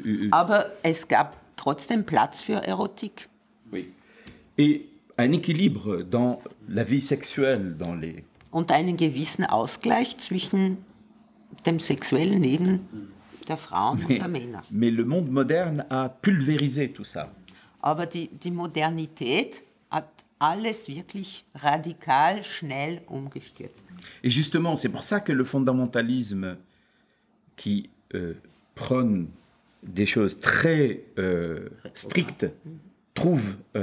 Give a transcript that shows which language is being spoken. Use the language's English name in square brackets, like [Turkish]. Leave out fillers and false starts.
[German] Aber es gab trotzdem Platz für Erotik. [French] Oui. Et un équilibre dans la vie sexuelle dans les. [German] Und einen gewissen Ausgleich zwischen dem sexuellen Leben der Frauen und der Männer. [French] Mais le monde moderne a pulvérisé tout ça. [German] Aber die Modernität hat alles wirklich radikal schnell umgestürzt. [French] Et justement, c'est pour ça que le fondamentalisme qui prône des choses très strictes, trouve